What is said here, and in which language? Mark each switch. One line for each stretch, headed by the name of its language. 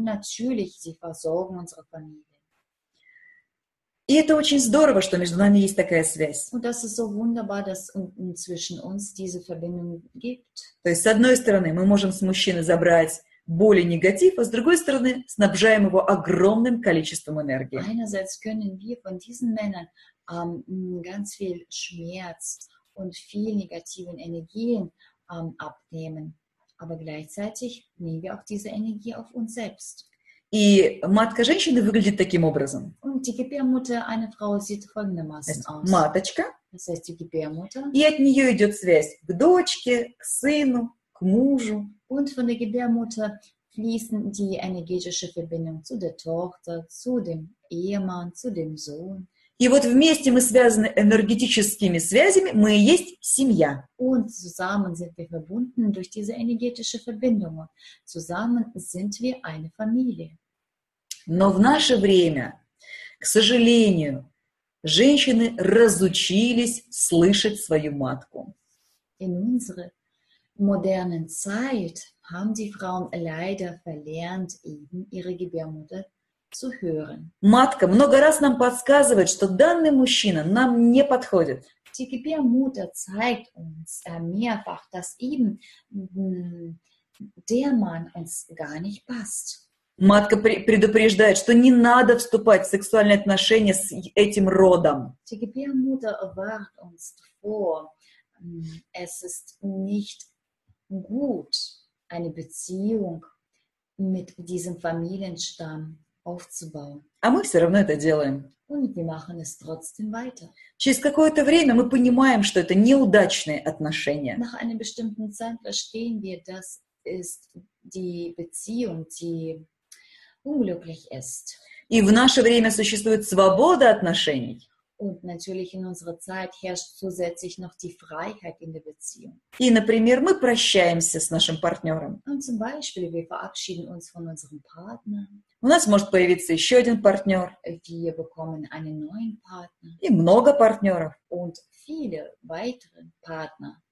German: Natürlich, sie versorgen unsere Familie.
Russian: И это очень здорово, что между нами есть такая связь.
German: Und das ist so wunderbar, dass zwischen uns diese Verbindung gibt.
Russian: То есть, с одной стороны, мы можем с мужчины забрать боль и негатив, а с другой стороны, снабжаем его огромным количеством энергии.
German: Einerseits können wir von diesen Männern ganz viel Schmerz und viel negativen Energien abnehmen. Aber gleichzeitig nehmen wir auch diese Energie auf uns selbst.
Russian: И матка женщины выглядит таким образом.
German: Und die Gebärmutter einer Frau sieht folgendermaßen aus.
Russian: Маточка.
German: Das heißt, die Gebärmutter.
Russian: И от нее идет связь к дочке, к сыну, к мужу.
German: Und von der Gebärmutter fließen die energetische Verbindung zu der Tochter, zu dem Ehemann, zu dem Sohn.
Russian: И вот вместе мы связаны энергетическими связями, мы и есть семья.
German: Und zusammen sind wir verbunden durch diese energetische Verbindung. Zusammen sind wir eine Familie.
Russian: Но в наше время, к сожалению, женщины разучились слышать свою матку.
German: In unserer modernen Zeit haben die Frauen leider verlernt, eben ihre Gebärmutter zu hören.
Russian: Матка много раз нам подсказывает, что данный мужчина нам не подходит.
German: Die Gebärmutter zeigt uns mehrfach, dass eben der Mann uns gar nicht passt.
Russian: Матка предупреждает, что не надо вступать в сексуальные отношения с этим родом.
German: Die Gebärmutter warnt uns vor, es ist nicht gut, eine Beziehung mit diesem Familienstamm aufzubauen.
Russian: А мы все равно это делаем.
German: Und wir machen es trotzdem weiter.
Russian: Через какое-то время мы понимаем, что это неудачные отношения.
German: Nach einem bestimmten Zeit verstehen wir, dass es die Beziehung, die unglücklich ist.
Russian: И в наше время существует свобода отношений.
German: Und natürlich in unserer Zeit herrscht zusätzlich noch die Freiheit in der Beziehung.
Russian: И, например, мы прощаемся с нашим партнером.
German: Und zum Beispiel, wir verabschieden uns von unserem Partner.
Russian: У нас может появиться еще один партнер.
German: Wir bekommen einen neuen Partner.
Russian: И много партнеров.
German: Und viele weitere Partner.